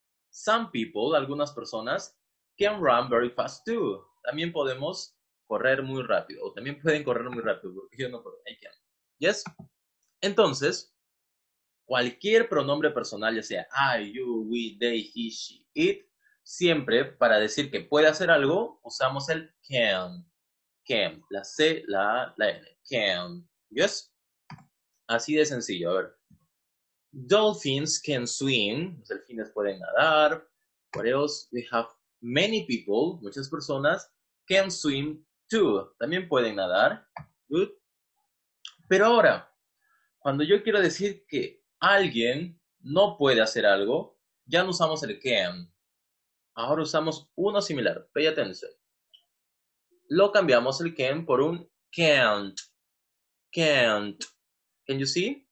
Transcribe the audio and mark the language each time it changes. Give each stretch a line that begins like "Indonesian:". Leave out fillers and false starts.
English: Some people,
Spanish: algunas personas,
English: can run very fast too.
Spanish: También podemos correr muy rápido. O también pueden correr muy rápido. Yo no puedo.
English: I can. Yes?
Spanish: Entonces, cualquier pronombre personal, ya sea I, you, we, they, he, she, it, siempre para decir que puede hacer algo, usamos el can. Can, la C, la A, la N. Can. ¿Yes? Así de sencillo, a ver.
English: Dolphins can swim.
Spanish: Los delfines pueden nadar.
English: What else? We have many people,
Spanish: muchas personas,
English: can swim too.
Spanish: También pueden nadar. Good. Pero ahora, cuando yo quiero decir que alguien no puede hacer algo, ya no usamos el can. Ahora usamos uno similar.
English: Pay attention.
Spanish: Lo cambiamos el can por un can't. Can't.
English: Can you see?